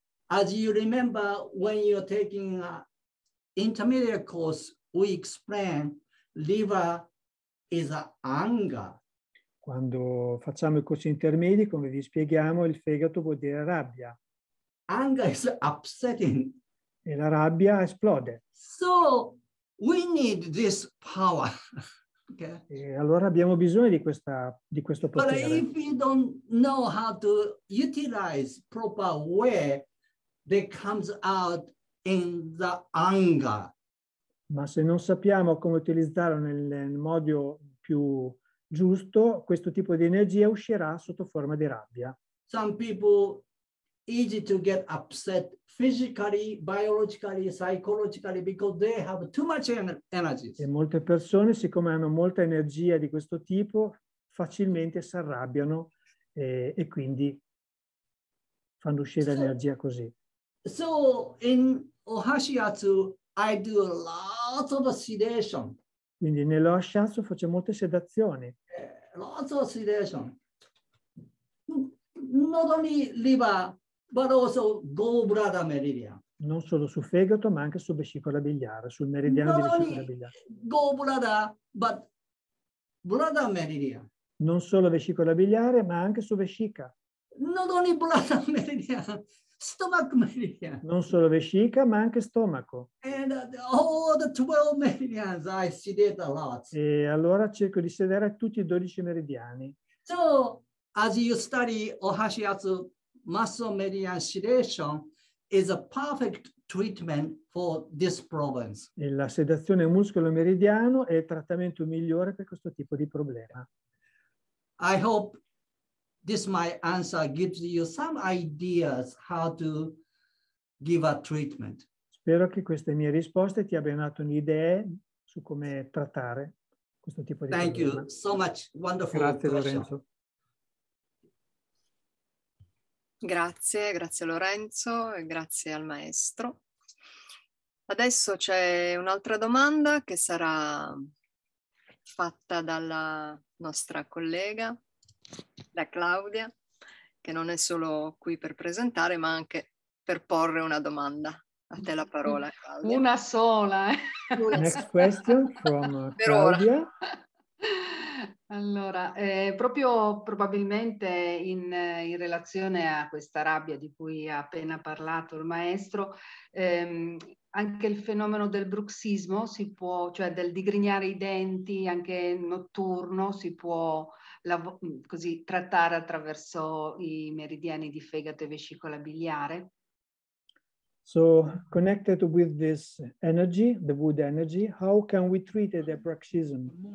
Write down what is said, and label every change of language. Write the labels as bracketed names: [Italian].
[English] As you remember when you're taking an intermediate course, we explain liver is anger. [Italian] Quando facciamo i corsi intermedi, come vi spieghiamo, il fegato vuol dire rabbia. [English] Anger is upsetting. [Italian] E la rabbia esplode. [English] So we need this power. Okay. [Italian] E allora abbiamo bisogno di questo potere. [English] But if you don't know how to utilize proper way that comes out in the anger. [Italian] Ma se non sappiamo come utilizzarlo nel modo più giusto, questo tipo di energia uscirà sotto forma di rabbia. [English] Some people easy to get upset physically, biologically, psychologically because they have too much energy. [Italian] E molte persone, siccome hanno molta energia di questo tipo, facilmente si arrabbiano e quindi fanno uscire energia così. [English] So in Ohashiatsu I do a lot of sedation. [Italian] Quindi nello Ohashiatsu faccio molte sedazioni. [English] Lots of sedation. Not only liver, but also gallbladder meridian. [Italian] Non solo su fegato, ma anche su vescica biliare, sul meridiano [English] Not [Italian] di vescica biliare. [English] Gallbladder, but bladder meridian. [Italian] Non solo vescica biliare, ma anche su vescica. [English] Not only bladder meridian, stomach meridian. [Italian] Non solo vescica, ma anche stomaco. [English] And all the 12 meridians I sedate a lot. [Italian] E allora cerco di sedare tutti i 12 meridiani. [English] So, as you study Ohashiatsu, muscle meridian sedation is a perfect treatment for this problem. [Italian] E la sedazione muscolo meridiano è il trattamento migliore per questo tipo di problema. [English] I hope this my answer gives you some ideas how to give a treatment. [Italian] Spero che queste mie risposte ti abbiano dato un'idea su come trattare questo tipo di [English] Thank [Italian] problema. [English] Thank you so much. Wonderful. [Italian] Grazie, Lorenzo. Grazie Lorenzo e grazie al maestro. Adesso c'è un'altra domanda che sarà fatta dalla nostra collega, da Claudia, che non è solo qui per presentare, ma anche per porre una domanda. A te la parola, Claudia. Una sola. [English] Next question from Claudia. [Italian] Allora, proprio probabilmente in relazione a questa rabbia di cui ha appena parlato il maestro, anche il fenomeno del bruxismo si può, cioè del digrignare i denti anche notturno, si può così trattare attraverso i meridiani di fegato e vescica biliare. [English] So connected with this energy, the wood energy, how can we treat the bruxism?